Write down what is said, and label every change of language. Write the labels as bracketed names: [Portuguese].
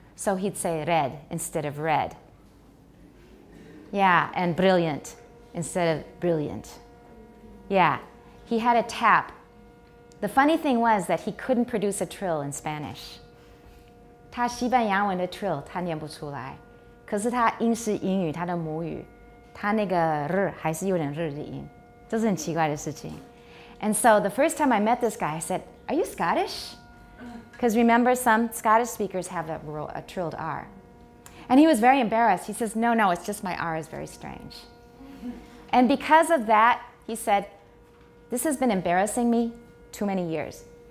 [English] So he'd say red instead of red. Yeah, and brilliant instead of brilliant. Yeah, he had a tap. The funny thing was that he couldn't produce a trill in Spanish. [Chinese] 他西班牙文的 trill 他念不出来。可是它英式英语它的母语它那个日还是有点日的音，这是很奇怪的事情。 [English] And so the first time I met this guy, I said, are you Scottish? Because remember, some Scottish speakers have a trilled R. And he was very embarrassed. He says, no, it's just my R is very strange. And because of that, he said, this has been embarrassing me too many years.